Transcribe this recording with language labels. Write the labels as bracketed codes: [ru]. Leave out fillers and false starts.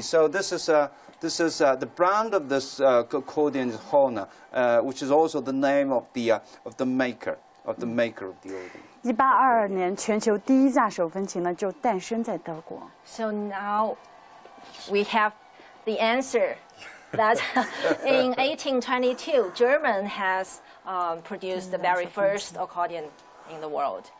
[en] So this is the brand of this accordion is Hona, which is also the name of the maker of the accordion. [zh] 1822年，全球第一架手风琴呢就诞生在德国。 [en] So now we have the answer that in 1822, German has produced the very first accordion in the world.